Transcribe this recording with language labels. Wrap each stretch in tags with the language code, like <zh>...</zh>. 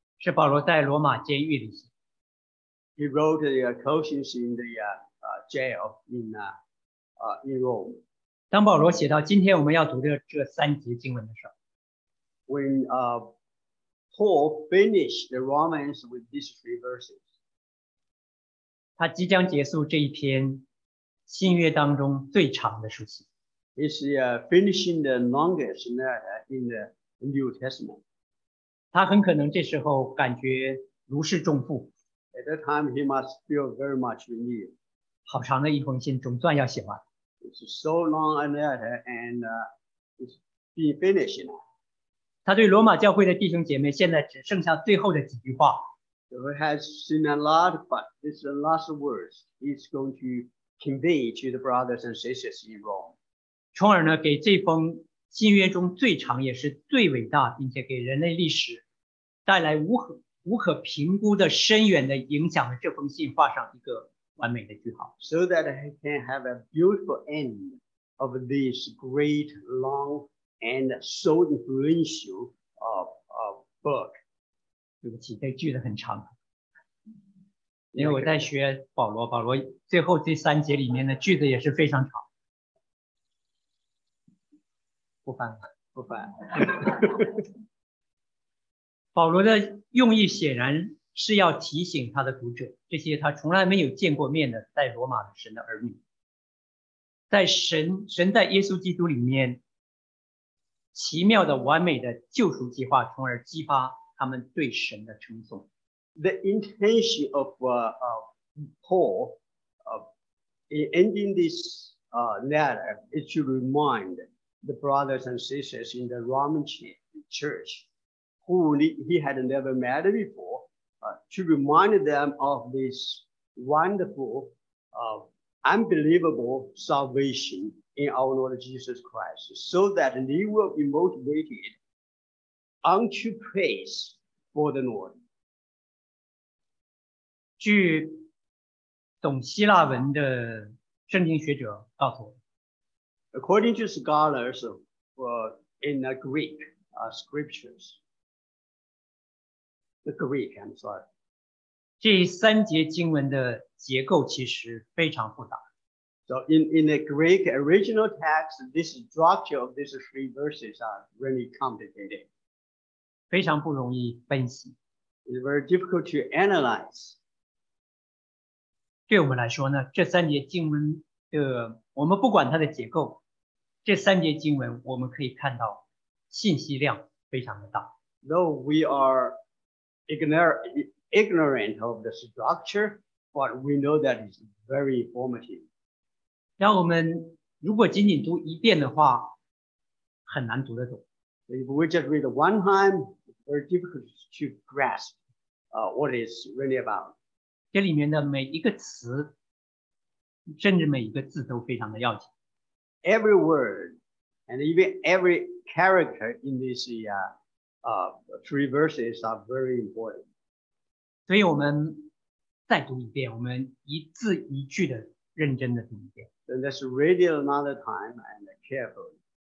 <zh>是保罗在罗马监狱里写。</zh> <en>He wrote the Colossians in the jail in Rome.</en> <zh>当保罗写到今天我们要读的这三节经文的时候。</zh> <en>When Paul finished the Romans with these three verses.</en> <zh>他即将结束这一篇新约当中最长的书信。</zh> <en>It's finishing the longest letter in the New Testament.</en> <zh>他很可能这时候感觉如释重负。</zh> <en>At that time, he must feel very much relieved.</en> <zh>好长的一封信，总算要写完。</zh> <en>It's so long a letter, and it's been finished now.</en> <zh>他对罗马教会的弟兄姐妹，现在只剩下最后的几句话。</zh> <en>So he has seen a lot, but this is the last words he's going to convey to the brothers and sisters in Rome.</en> <zh>从而呢，给这封新约中最长也是最伟大，并且给人类历史带来无可评估的深远的影响的这封信画上一个完美的句号。</zh> <en>So that he can have a beautiful end of this great, long, and so influential of book.</en> <zh>对不起，这句子很长。因为我在学保罗，保罗最后这三节里面的句子也是非常长。不翻。保罗的用意显然是要提醒他的读者，这些他从来没有见过面的在罗马的神的儿女，在神在耶稣基督里面奇妙的完美的救赎计划，从而激发他们对神的称颂。</zh> <en>The intention of Paul in ending this letter is to remind the brothers and sisters in the Roman church who he had never met before, to remind them of this wonderful, unbelievable salvation in our Lord Jesus Christ, so that they will be motivated unto praise for the Lord.</en> <zh>据懂希腊文的圣经学者告诉我</zh> <en>，According to scholars in the Greek scriptures, the Greek, I'm sorry,</en> <zh>这三节经文的结构其实非常复杂。</zh> <en>So in the Greek original text, this structure of these three verses are really complicated.</en> <zh>非常不容易分析。</zh> <en>It's very difficult to analyze.</en> <zh>对我们来说呢，这三节经文的，我们不管它的结构，这三节经文我们可以看到信息量非常的大。</zh> <en>Though we are ignorant of the structure, but we know that it's very informative.</en> <zh>让我们如果仅仅读一遍的话，很难读得懂。</zh> <en>If we just read one time, it's very difficult to grasp what it's really about.</en> <zh>这里面的每一个词甚至每一个字都非常的要紧。</zh> <en>Every word and even every character in these three verses are very important.</en> <zh>所以我们再读一遍，我们一字一句的认真的读一遍。</zh> <en>So let's read it another time and carefully.</en>